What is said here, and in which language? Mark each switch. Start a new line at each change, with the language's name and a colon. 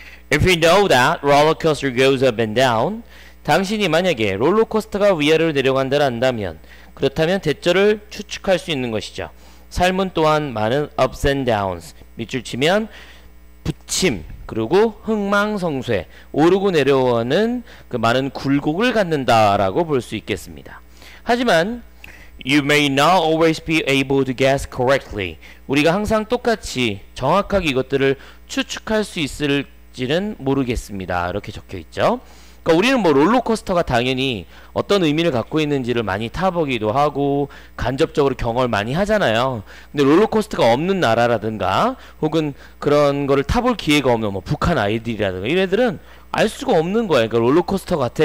English: If you know that roller coaster goes up and down,
Korean: 당신이 만약에 롤러코스터가 위아래로 내려간다 한다면, 그렇다면 대절을 추측할 수 있는 것이죠. 삶은 또한 많은
English: ups and downs,
Korean: 밑줄 치면 부침, 그리고 흥망성쇠, 오르고 내려오는 그 많은 굴곡을 갖는다라고 볼 수 있겠습니다. 하지만
English: You may not always be able to guess correctly.
Korean: 우리가 항상 똑같이 정확하게 이것들을 추측할 수 있을지는 모르겠습니다. 이렇게 적혀있죠. 그러니까 우리는 뭐 롤러코스터가 당연히 어떤 의미를 갖고 있는지를 많이 타보기도 하고 간접적으로 경험을 많이 하잖아요. 근데 롤러코스터가 없는 나라라든가 혹은 그런 거를 타볼 기회가 없는 뭐 북한 아이들이라든가 이런 애들은 알 수가 없는 거야. 그러니까 롤러코스터 같아.